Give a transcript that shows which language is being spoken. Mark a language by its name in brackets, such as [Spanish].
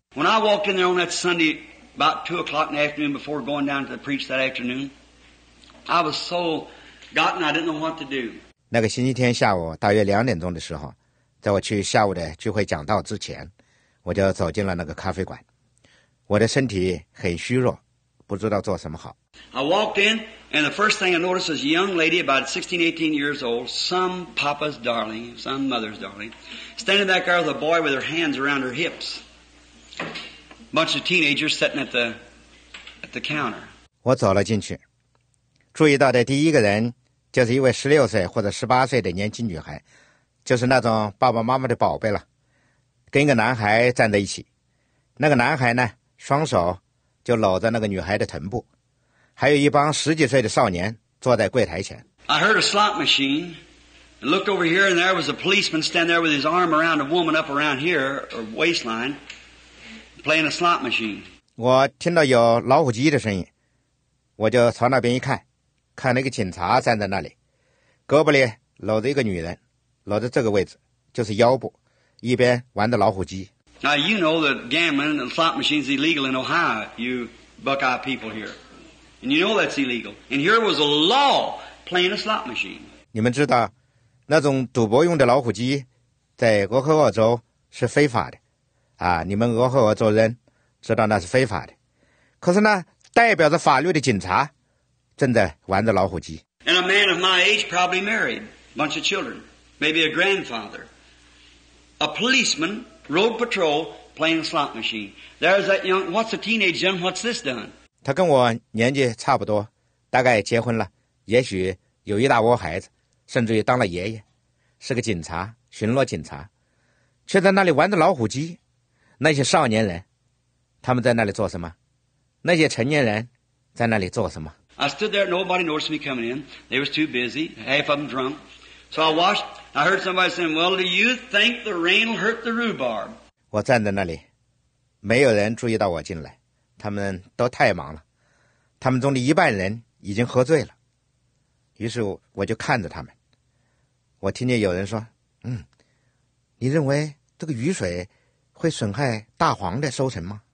[English] When I walked in there on that Sunday about 2 o'clock in the afternoon before going down to preach that afternoon, I was so gotten I didn't know what to do. [Chinese] 那个星期天下午大约2点钟的时候，在我去下午的聚会讲道之前，我就走进了那个咖啡馆。我的身体很虚弱。不知道做什么好。 [English] I walked in, and the first thing I noticed was a young lady about 16, 18 years old, some papa's darling, some mother's darling, standing back there with a boy with her hands around her hips. A bunch of teenagers sitting at the counter. [Chinese] 我走了进去，注意到的第一个人就是一位16岁或者18岁的年轻女孩，就是那种爸爸妈妈的宝贝了，跟一个男孩站在一起。那个男孩呢，双手就搂着那个女孩的臀部，还有一帮十几岁的少年坐在柜台前。 [English] I heard a slot machine, and looked over here, and there was a policeman standing there with his arm around a woman up around here, or waistline, playing a slot machine. [Chinese] 我听到有老虎机的声音，我就朝那边一看，看了一个警察站在那里，胳膊里搂着一个女人，搂着这个位置，就是腰部，一边玩着老虎机。 [English] Now you know that gambling and slot machines is illegal in Ohio, you Buckeye people here. And you know that's illegal. And here was a law playing a slot machine. [Chinese] 你们知道那种赌博用的老虎机在俄亥俄州是非法的。啊，你们俄亥俄州人知道那是非法的。可是呢，代表着法律的警察正在玩着老虎机。 [English] And a man of my age probably married, a bunch of children, maybe a grandfather, a policeman,Road patrol playing a slot machine. There's that young. What's a teenage young? What's this done? [Chinese] 他跟我年纪差不多，大概结婚了，也许有一大窝孩子，甚至于当了爷爷，是个警察，巡逻警察。却在那里玩的老虎机。那些少年人，他们在那里做什么？那些成年人在那里做什么？ [English] I stood there, nobody noticed me coming in. They was too busy, half of them drunk. So I watched, I heard somebody saying, well, do you think the rain will hurt the rhubarb? [Chinese] 我站在那里，没有人注意到我进来，他们都太忙了。他们中的一半人已经喝醉了，于是我就看着他们。我听见有人说，你认为这个雨水会损害大黄的收成吗？